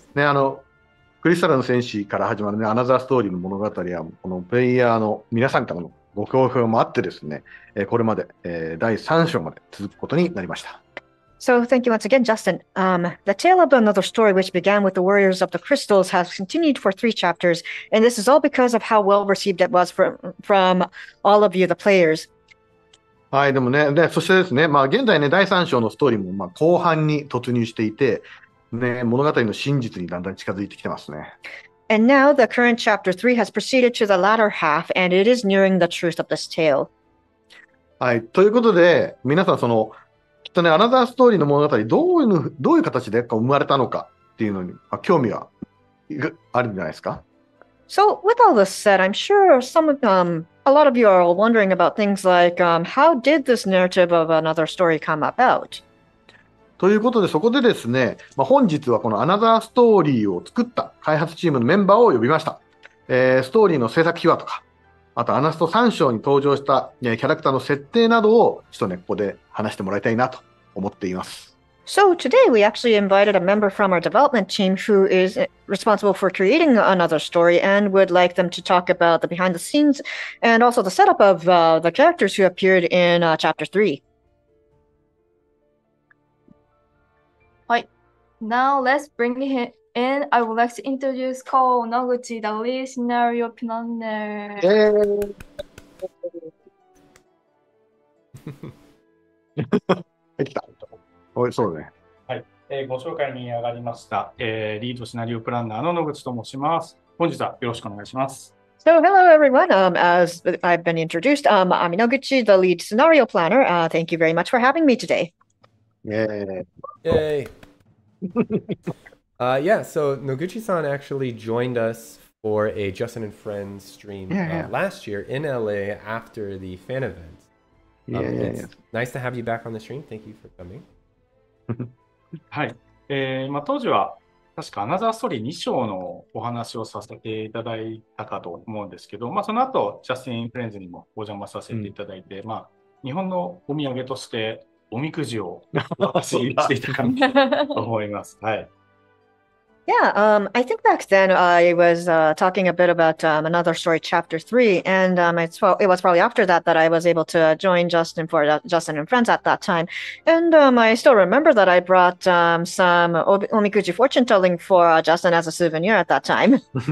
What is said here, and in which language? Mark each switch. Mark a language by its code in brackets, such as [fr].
[ja] ね、あの、クリスタルの戦士から始まるね、アナザーストーリーの物語は、このプレイヤーの皆さんからのご好評もあってですね、これまで、第3章まで続くことになりました。 [en] So thank you once again, Justin. The tale of another story which began with the Warriors of the Crystals has continued for 3 chapters, and this is all because of how well received it was from all of you, the players. [ja] はい、でもね、で、そしてですね、まあ、現在ね、第3章のストーリーも、まあ、後半に突入していて、ね、物語の真実にだんだん近づいてきてますね。 [en] And now the current chapter 3 has proceeded to the latter half, and it is nearing the truth of this tale. [ja] はい、ということで、皆さん、その、きっとね、アナザーストーリーの物語、どういう形で生まれたのかっていうのに、まあ、興味はあるんじゃないですか。 [en] So, with all this said, I'm sure some of them... A lot of you are wondering about things like, how did this narrative of another story come about? [ja] ということで、そこでですね、まあ、本日はこのアナザーストーリーを作った開発チームのメンバーを呼びました。ストーリーの制作秘話とか、あとアナスト3章に登場した、ね、キャラクターの設定などをちょっとね、ここで話してもらいたいなと思っています。 [en] So today we actually invited a member from our development team who is responsible for creating another story and would like them to talk about the behind the scenes and also the setup of the characters who appeared in chapter 3. はい。Now let's bring him in. I would like to introduce Kao Noguchi, the lead scenario planner. [ja] できた。おい、そうね。はい、ご紹介に上がりました、リードシナリオプランナーの野口と申します。本日はよろしくお願いします。 [en] So hello everyone. As I've been introduced, I'm Noguchi, the lead scenario planner. Thank you very much for having me today. Yay. So Noguchi-san actually joined us for a Justin and Friends stream last year in LA after the fan event. Nice to have you back on the stream. Thank you for coming. [ja] はい、当時は確かアナザーストーリー2章のお話をさせていただいたかと思うんですけど、まあ、その後ジャスティン・フレンズにもお邪魔させていただいて、まあ、日本のお土産としておみくじをお渡ししていたかと思います。はい。 [en] Yeah, I think back then I was talking a bit about another story, chapter 3, and it was probably after that that I was able to join Justin for Justin and Friends at that time. And I still remember that I brought some omikuji fortune telling for Justin as a souvenir at that time.